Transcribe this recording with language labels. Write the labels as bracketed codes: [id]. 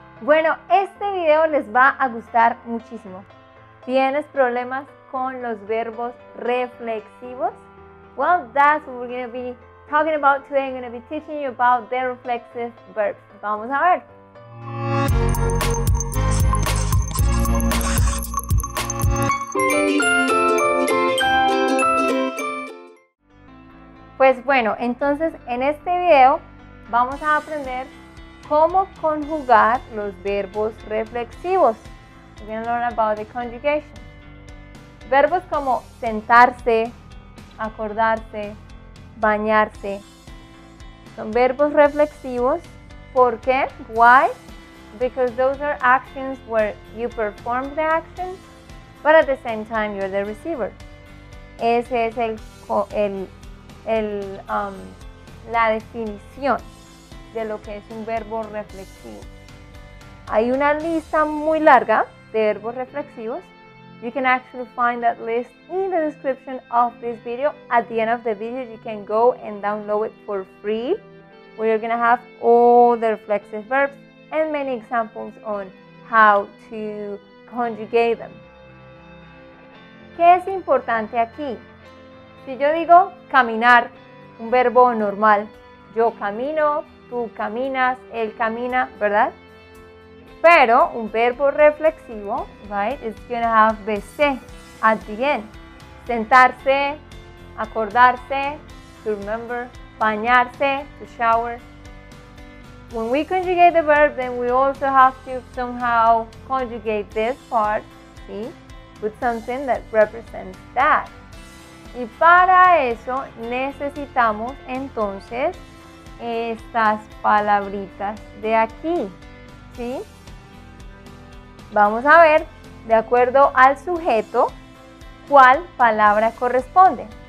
[es] Bueno, este video les va a gustar muchísimo. ¿Tienes problemas con los verbos reflexivos? [en] Well, that's what we're going to be talking about today. I'm going to be teaching you about the reflexive verbs. [es] Vamos a ver. Pues bueno, entonces en este video vamos a aprender cómo conjugar los verbos reflexivos. [en] We're going to learn about the conjugation. [es] Verbos como sentarse, acordarse, bañarse. Son verbos reflexivos. ¿Por qué? [en] Why? Because those are actions where you perform the action, but at the same time you're the receiver. [es] Ese es la definición de lo que es un verbo reflexivo. Hay una lista muy larga de verbos reflexivos. [en] You can actually find that list in the description of this video. At the end of the video, you can go and download it for free, where you're going to have all the reflexive verbs and many examples on how to conjugate them. [es] ¿Qué es importante aquí? Si yo digo caminar, un verbo normal, yo camino, tú caminas, él camina, ¿verdad? Pero un verbo reflexivo, [en] right, is going to have BC at the end. Sentarse, acordarse, to remember, bañarse, to shower. When we conjugate the verb, then we also have to somehow conjugate this part, see, with something that represents that. [es] Y para eso necesitamos entonces estas palabritas de aquí, ¿sí? Vamos a ver, de acuerdo al sujeto, cuál palabra corresponde.